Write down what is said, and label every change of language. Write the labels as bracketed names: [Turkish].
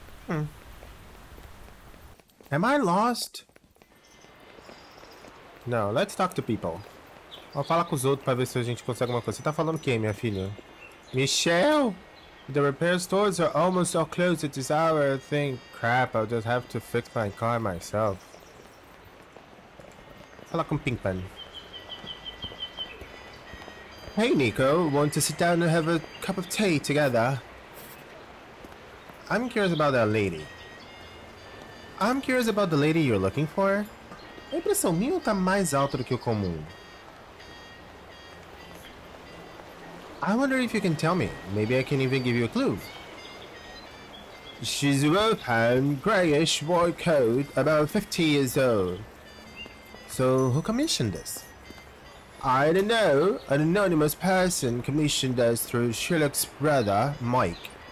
[English] Am I lost? [Portuguese] Não, [English] let's talk to people. [Portuguese] Vou falar com os outros pra ver se a gente consegue alguma coisa. Você tá falando o quê, minha filha? [English] Michelle? The repair stores are almost all closed at this hour. I think, crap, I'll just have to fix my car myself. [Portuguese] Fala com Pinkman. [English] Hey, Nico. Want to sit down and have a cup of tea together? I'm curious about that lady. I'm curious about the lady you're looking for. [Portuguese] A impressão minha tá mais alta do que o comum. [English] I wonder if you can tell me. Maybe I can even give you a clue. She's a well-pound, grayish, white coat, about 50 years old. So, who commissioned this? I don't know. An anonymous person commissioned us through Sherlock's brother, Mike.